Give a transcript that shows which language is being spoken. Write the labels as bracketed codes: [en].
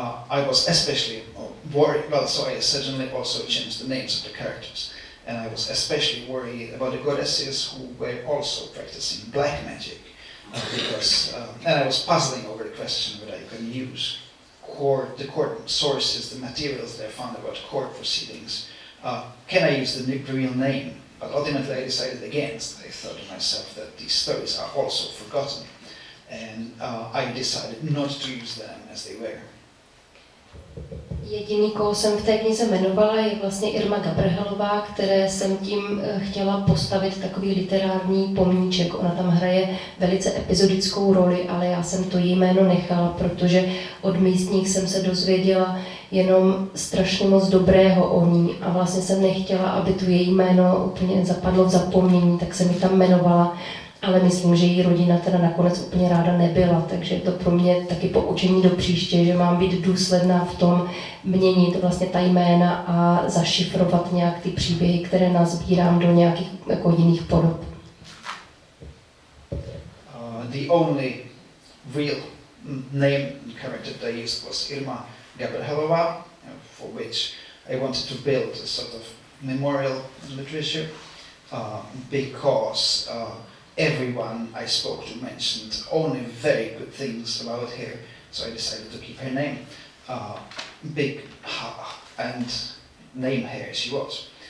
[en] I was especially worried, well, so I suddenly also changed the names of the characters, and I was especially worried about the goddesses who were also practicing black magic, because, and I was puzzling over the question whether I could use the court sources, the materials that I found about court proceedings. Can I use the real name? But ultimately I decided against. I thought to myself that these stories are also forgotten, and I decided not to use them as they were. [cs] Jediný, koho jsem v té knize jmenovala, je vlastně Irma Gabrhelová, které jsem tím chtěla postavit takový literární pomníček. Ona tam hraje velice epizodickou roli, ale já jsem to její jméno nechala, protože od místních jsem se dozvěděla jenom strašně moc dobrého o ní a vlastně jsem nechtěla, aby tu její jméno úplně zapadlo v zapomnění, tak jsem ji tam jmenovala. Ale myslím, že její rodina teda nakonec úplně ráda nebyla, takže to pro mě taky poučení do příště, že mám být důsledná v tom měnit vlastně ta jména a zašifrovat nějak ty příběhy, které nazbírám do nějakých jako jiných podob. [en] The only real name character that I used was Irma Gabrhelová, for which I wanted to build a sort of memorial literature, because everyone I spoke to mentioned only very good things about her, so I decided to keep her name, Big Ha, and name her she was.